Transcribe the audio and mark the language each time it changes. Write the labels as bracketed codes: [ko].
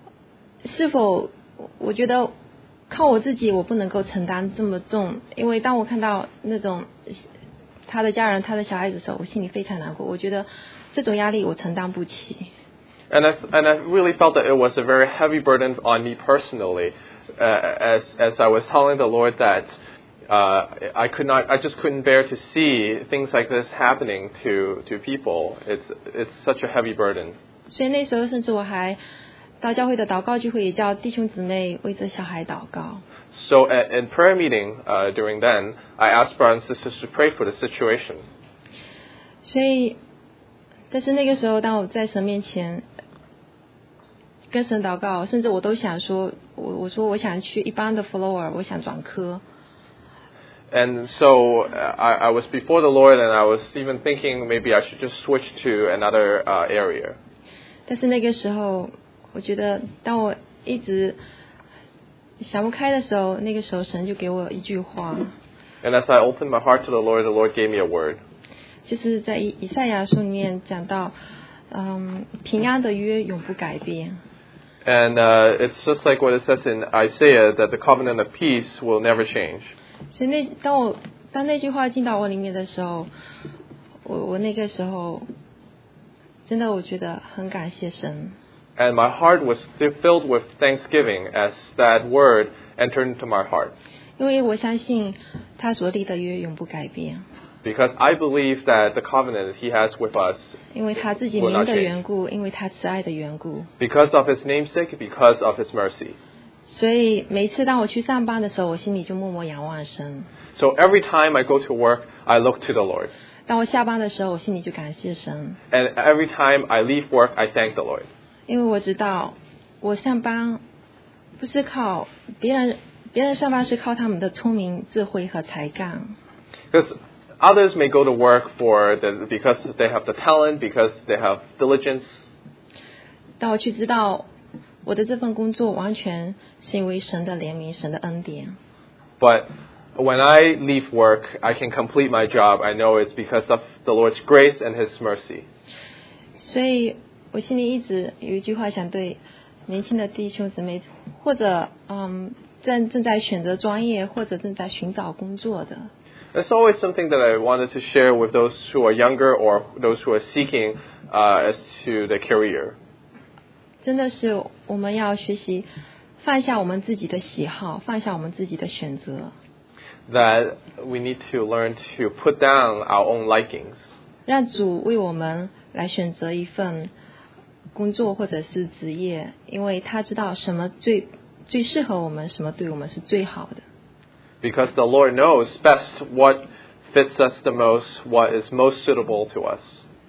[zh] 但是心里面一直觉得说那个时候我就在神面前有一个很重的负担，我就觉得说，我就问主，同样是吃一口饭，为了一份工作，为了一份生活，是否我觉得 靠我自己，我不能够承担这么重，因为当我看到那种他的家人、他的小孩子的时候，我心里非常难过。我觉得这种压力我承担不起。And [en] I really felt that it was a very heavy burden on me personally, as I was telling the Lord that I just couldn't bear to see things like this happening to people. It's such a heavy burden. [zh] 所以那时候甚至我还 到教会的祷告聚会，也叫弟兄姊妹为这小孩祷告。 [en] So in prayer meeting during then, I asked brothers and sisters to pray for the situation. [zh] 所以，但是那个时候，当我在神面前跟神祷告，甚至我都想说，我说我想去一般的 floor， 我想转科。 [en] And so I was before the Lord, and I was even thinking maybe I should just switch to another area. [zh] 但是那个时候我觉得当我一直想不开的时候，那个时候神就给我一句话。 [en] And as I opened my heart to the Lord gave me a word. [zh] 就是在以赛亚书里面讲到，平安的约永不改变。 [en] And it's just like what it says in Isaiah that the covenant of peace will never change. [zh] 所以当那句话进到我里面的时候，我那个时候真的我觉得很感谢神。 [en] And my heart was filled with thanksgiving as that word entered into my heart. [zh] 因为我相信他所立的约永不改变。 [en] Because I believe that the covenant he has with us will not change. Because of his namesake, because of his mercy. [zh] 所以每次当我去上班的时候，我心里就默默仰望神。 [en] So every time I go to work, I look to the Lord. [zh] 当我下班的时候，我心里就感谢神。 [en] And every time I leave work, I thank the Lord. [zh] 因为我知道，我上班不是靠别人上班是靠他们的聪明、智慧和才干。 [en] Because others may go to work for the, because they have the talent, because they have diligence. [zh] 但我却知道，我的这份工作完全是因为神的怜悯、神的恩典。 [en] But when I leave work, I can complete my job. I know it's because of the Lord's grace and His mercy. [zh] 所以我心里一直有一句话想对年轻的弟兄姊妹，或者正在选择专业，或者正在寻找工作的。 [en] There's always something that I wanted to share with those who are younger or those who are seeking as to the career. [zh] 真的是我们要学习放下我们自己的喜好，放下我们自己的选择。 [en] That we need to learn to put down our own likings. [zh] 让主为我们来选择一份工作或者是职业，因为他知道什么最适合我们，什么对我们是最好的。 [en] Because the Lord knows best what fits us the most, what is most suitable to us.